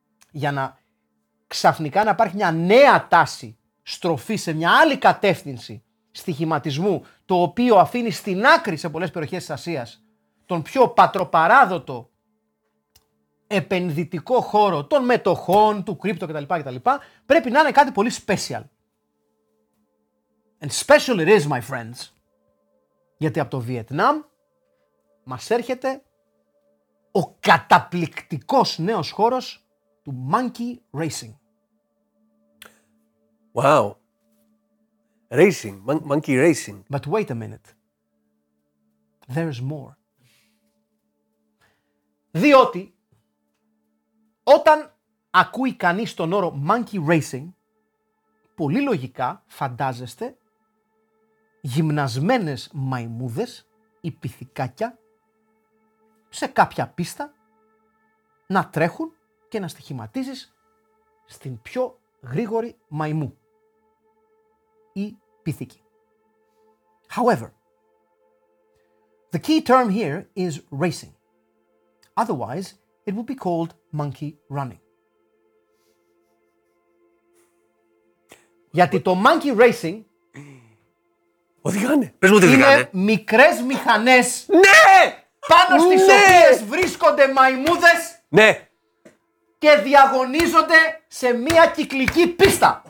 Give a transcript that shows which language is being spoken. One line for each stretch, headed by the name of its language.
Greek: Για να ξαφνικά να υπάρχει μια νέα τάση στροφή σε μια άλλη κατεύθυνση στοιχηματισμού, το οποίο αφήνει στην άκρη σε πολλές περιοχές της Ασίας τον πιο πατροπαράδοτο επενδυτικό χώρο των μετοχών, του κρύπτο κτλ, κτλ, πρέπει να είναι κάτι πολύ special.
English: And special it is, my friends.
Greek: Γιατί από το Βιετνάμ μας έρχεται ο καταπληκτικός νέος χώρος του monkey racing.
English: Wow. Racing, monkey racing. But wait a minute. There is more.
Greek: Διότι όταν ακούει κανείς τον όρο monkey racing, πολύ λογικά φαντάζεστε γυμνασμένες μαϊμούδες ή πιθηκάκια σε κάποια πίστα να τρέχουν και να στοιχηματίζεις στην πιο γρήγορη μαϊμού ή πιθήκη.
English: However, the key term here is racing. Otherwise, it would be called monkey running.
Greek: Γιατί το monkey racing οδηγάνε. Πες μου τι είναι. Μικρές μηχανές. Ναι! πάνω στις οποίες βρίσκονται μαϊμούδες. Ναι. Και διαγωνίζονται σε μία κυκλική πίστα.